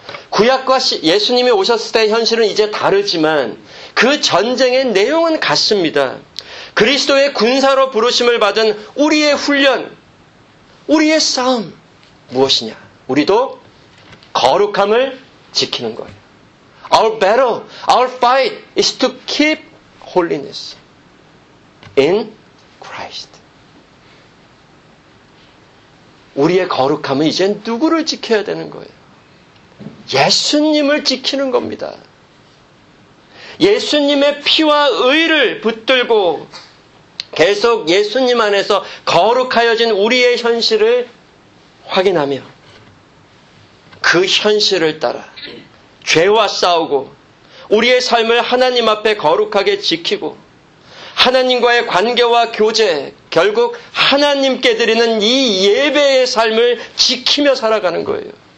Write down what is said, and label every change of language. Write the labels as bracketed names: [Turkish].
[Korean] 구약과 예수님이 오셨을 때 현실은 이제 다르지만 그 전쟁의 내용은 같습니다. 그리스도의 군사로 부르심을 받은 우리의 훈련, 우리의 싸움 무엇이냐? 우리도 거룩함을 지키는 거예요. [English] Our battle, our fight is to keep holiness in Christ. [Korean] 우리의 거룩함은 이제 누구를 지켜야 되는 거예요? 예수님을 지키는 겁니다. 예수님의 피와 의를 붙들고 계속 예수님 안에서 거룩하여진 우리의 현실을 확인하며 그 현실을 따라 죄와 싸우고 우리의 삶을 하나님 앞에 거룩하게 지키고 하나님과의 관계와 교제, 결국 하나님께 드리는 이 예배의 삶을 지키며 살아가는 거예요.